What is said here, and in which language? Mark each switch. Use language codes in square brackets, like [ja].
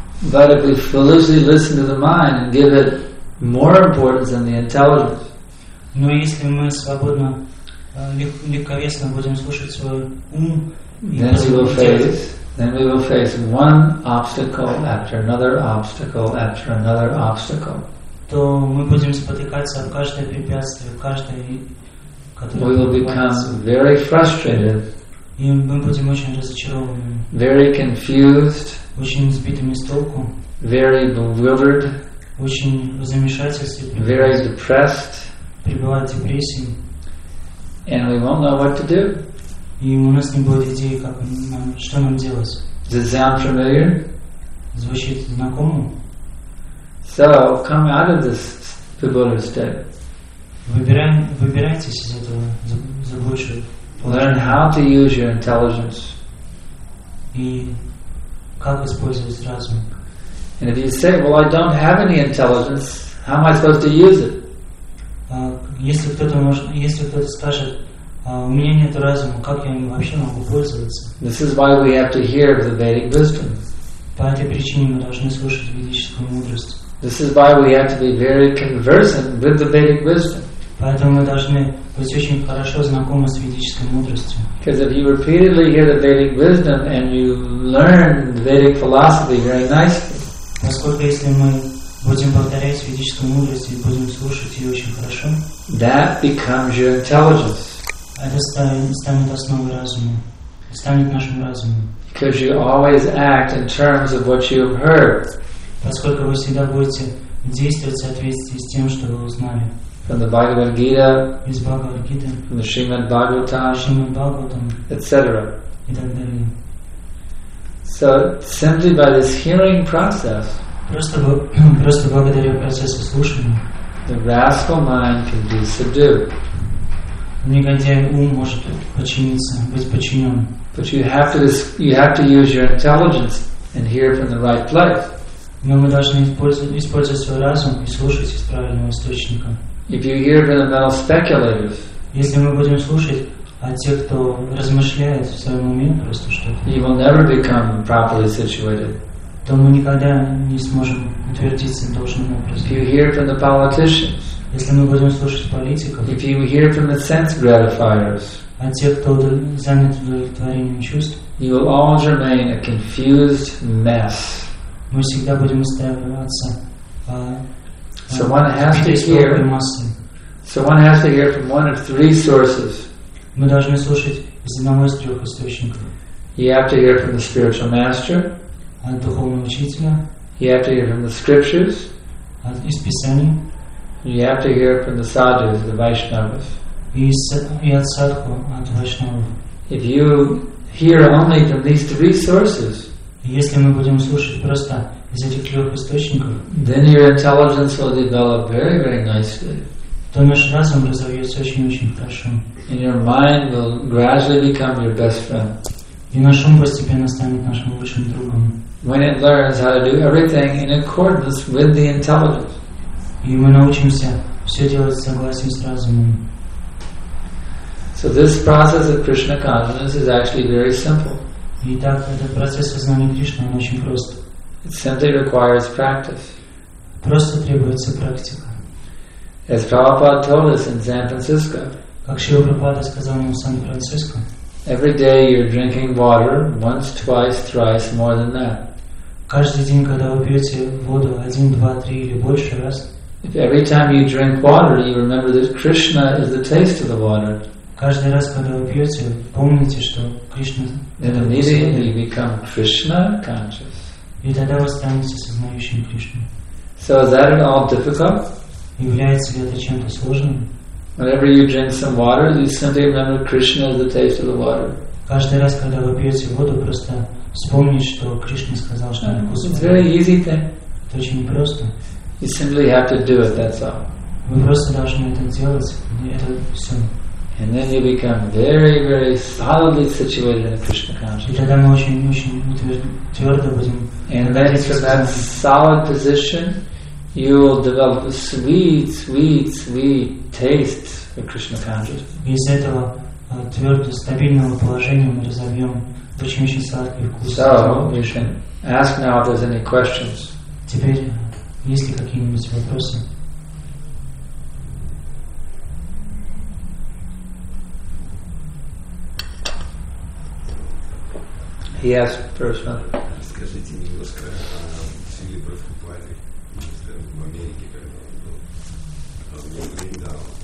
[en] But if we foolishly listen to the mind and give it more importance than the intelligence, [ru] но если мы свободно, легковесно будем слушать свой ум, [en] then we will face one obstacle after another obstacle after another obstacle. [ru] То мы будем спотыкаться об каждое препятствие, каждое, которое. [en] We will become very frustrated. [ru] И мы будем очень разочарованными. [en] Very confused. [ru] Очень сбитыми с толку. [en] Very bewildered. [ru] Очень в замешательстве. [en] Very depressed. [ru] Пребывает в депрессии. [en] And we won't know what to do. [ru] И у нас не будет идеи, как нам, что нам делать. [en] Does it sound familiar? [ru] Звучит знакомо. [en] So come out of this bewildered state. [ru] Выбирайтесь из этого заблудшего. [en] Learn how to use your intelligence. [ru] И как использовать разум. [en] And if you say, well, I don't have any intelligence, how am I supposed to use it? [ru] Если кто-то скажет, у меня нет разума, как я им вообще могу пользоваться? [en] This is why we have to hear the Vedic wisdom. [ru] По этой причине мы должны слушать ведическую мудрость. [en] This is why we have to be very conversant with the Vedic wisdom. [ru] Поэтому мы должны быть очень хорошо знакомы с ведической мудростью. [en] Because if you repeatedly hear the Vedic wisdom and you learn the Vedic philosophy very nicely. [ru] Поскольку если мы будем повторять ведическую мудрость и будем слушать ее очень хорошо, [en] that becomes your intelligence. [ru] Это станет основой разума, станет нашим разумом. [en] Because you always act in terms of what you have heard. [ru] Поскольку вы всегда будете действовать в соответствии с тем, что вы узнали. [en] From the Bhagavad Gita, [ru] из Бхагавад Гиты, [en] from the Shrimad Bhagavatam, [ru] Shrimad Bhagavatam, [en] etc. [ru] И так далее. [en] So simply by this hearing process. [ru] Просто благодаря процессу слушания [en] the rascal mind can be subdued. [ru] Негодяй ум может подчиниться, быть подчинен. [en] But you have to use your intelligence and hear from the right place. [ru] Но мы должны использовать свой разум и слушать из правильного источника. [en] If you hear from the mental speculators, [ru] если мы будем слушать от тех, кто размышляет в своем уме просто что-то, [en] you will never become properly situated. [ru] То мы никогда не сможем утвердиться должным образом. [en] If you hear from the politicians, [ru] если мы будем слушать политиков, [en] if you hear from the sense gratifiers, [ru] а тех, кто занят удовлетворением чувств, [en] you will always remain a confused mess. [ru] Мы всегда будем оставаться [en] so one has to hear [ru] массой. [en] So one has to hear from one of three sources. [ru] Мы должны слушать из одного из трех источников. [en] You have to hear from the spiritual master. [ru] От духовного учителя. [en] You have to hear from the scriptures. [ru] От из писаний. [en] You have to hear from the sadhus, the Vaishnavas. [ru] И от садху, от Вайшнавов. [en] If you hear only from these three sources, [ru] если мы будем слушать просто из этих трех источников, [en] then your intelligence will develop very, very nicely. [ru] То наш разум развивается очень-очень хорошо. [en] And your mind will gradually become your best friend. [ru] И наш ум постепенно станет нашим лучшим другом. [en] When it learns how to do everything in accordance with the intelligence. [ru] И мы научимся все делать в согласии с разумом. [en] So this process of Krishna consciousness is actually very simple. [ru] И так этот процесс сознания Кришны он очень прост. [en] It simply requires practice. [ru] Просто требуется практика. [en] As Prabhupada told us in San Francisco. [ru] Как Шрила Прабхупада сказал нам в Сан-Франциско. [en] Every day you're drinking water once, twice, thrice, more than that. [ru] Каждый день, когда вы пьете воду один, два, три или больше раз. [en] If every time you drink water, you remember that Krishna is the taste of the water. [ru] Каждый раз, когда вы пьете, помните, что Кришна. [en] Then immediately you become Krishna conscious. [ru] И тогда вы станете сознающим Кришну. [en] So is that at all difficult? [ru] Является ли это чем-то сложным? [en] Whenever you drink some water, you simply remember Krishna as the taste of the water. [ru] Каждый раз, когда вы пьете воду, просто вспомните, что Кришна сказал, что это вкусно. [en] It's very easy thing. [ru] Это очень просто. [en] You simply have to do it, that's all. [ru] Вы просто должны это делать, и это все. [en] And then you become very, very solidly situated in Krishna consciousness. [ru] И тогда мы очень-очень твердо будем. [en] And then from that solid position, you will develop a sweet, sweet, sweet taste of Krishna consciousness. [ru] Из этого твердого, стабильного положения мы разовьем очень-очень сладкий вкус. [en] So, you can ask now if there's any questions. [ru] Теперь, есть ли какие-нибудь вопросы? [en] He asked first one. [ru] Скажите немножко о Шриле Прабхупаде. В Америке, когда он был, разговор в Риндау.